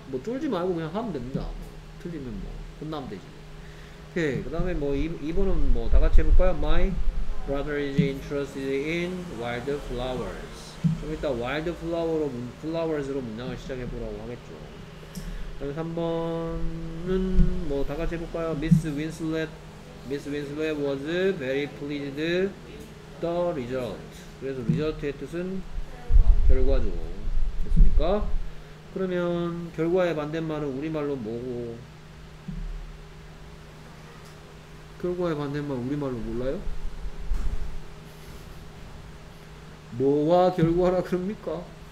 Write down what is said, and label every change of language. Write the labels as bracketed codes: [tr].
[ko] 뭐 쫄지 말고 그냥 하면 됩니다. 뭐. 틀리면 뭐 혼나면 되지. 오케이. 그 다음에 뭐 2번은 뭐 다 같이 해볼까요? [en] My Brother is interested in wild flowers. [ko] 좀 이따 wild flowers로 문장을 시작해 보라고 하겠죠. 그다음 3번은 뭐 다 같이 해볼까요? [en] Miss Winslet was very pleased with the result. [ko] 그래서 result의 뜻은 결과죠. 됐습니까? 그러면 결과의 반대말은 우리말로 뭐고? 결과의 반대말 우리말로 몰라요? 뭐와 결과라 그럽니까?